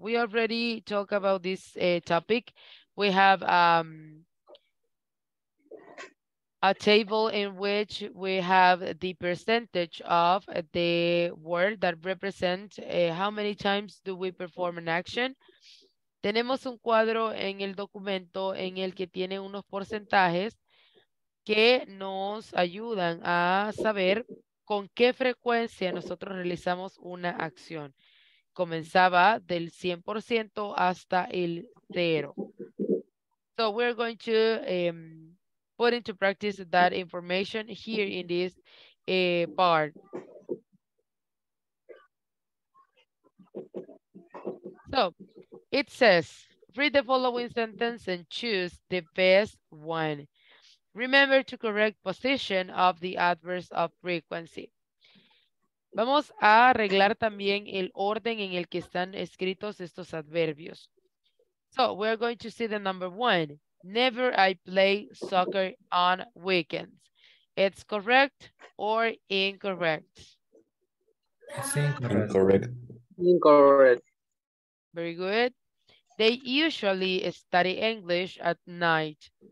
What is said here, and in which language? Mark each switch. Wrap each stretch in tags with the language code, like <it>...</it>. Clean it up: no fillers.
<en>We already talked about this topic. We have A table in which we have the percentage of the word that represent how many times do we perform an action.</en> <es>Tenemos un cuadro en el documento en el que tiene unos porcentajes que nos ayudan a saber con qué frecuencia nosotros realizamos una acción. Comenzaba del 100% hasta el cero.</es> <en>So we're going to put into practice that information here in this part. So it says, read the following sentence and choose the best one. Remember to correct position of the adverbs of frequency.</en> <es>Vamos a arreglar también el orden en el que están escritos estos adverbios.</es> <en>So we're going to see the number one. Never I play soccer on weekends. It's correct or incorrect? Incorrect. Incorrect. Very good. They usually study English at night.</en>